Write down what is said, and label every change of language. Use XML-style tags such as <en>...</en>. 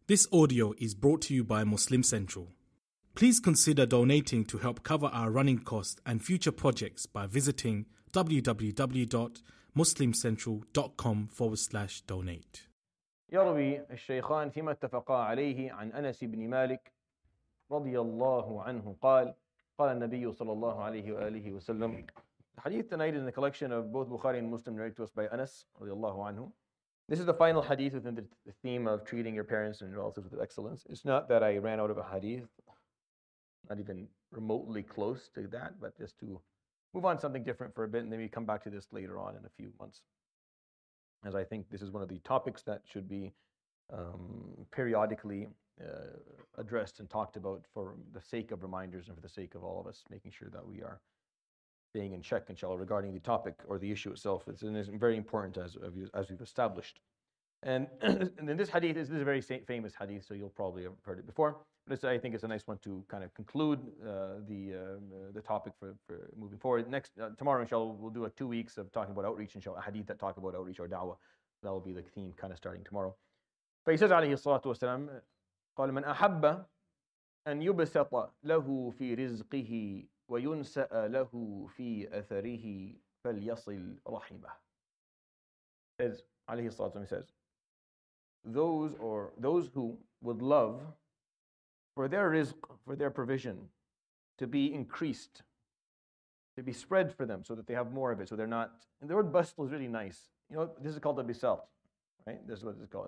<en>This audio is brought to you by Muslim Central. Please consider donating to help cover our running costs and future projects by visiting www.muslimcentral.com/donate.</en> <ar>يروي الشيخان فيما اتفقا عليه عن أنس بن مالك رضي الله عنه قال قال النبي صلى الله عليه وآله وسلم.</ar> <en>The hadith tonight is in the collection of both Bukhari and Muslim narrated to us by Anas</en> <ar>رضي الله عنه.</ar> <en>This is the final hadith within the theme of treating your parents and relatives with excellence. It's not that I ran out of a hadith, not even remotely close to that, but just to move on something different for a bit, and then we come back to this later on in a few months, as I think this is one of the topics that should be periodically addressed and talked about for the sake of reminders and for the sake of all of us, making sure that we are staying in check, inshallah, regarding the topic or the issue itself. It's very important, as we've established. And then this hadith, this is a very famous hadith, so you'll probably have heard it before. But I think it's a nice one to kind of conclude the topic for moving forward. Tomorrow, inshallah, we'll do 2 weeks of talking about outreach, inshallah, a hadith that talk about outreach or da'wah. That will be the theme kind of starting tomorrow. But he says, alayhi salatu wasalam,</en> <ar>قال من أحب أن يبسط له في رزقه وَيُنْسَأَ لَهُ فِي أَثَرِهِ فَلْيَصِلْ رَحِمَهُ.</ar> <en>As alayhi salatu wasalam says, those who would love for their rizq, for their provision, to be increased, to be spread for them so that they have more of it, so they're not... And the word basl is really nice. You know, this is called a bisalt, right? This is what it's called.</en>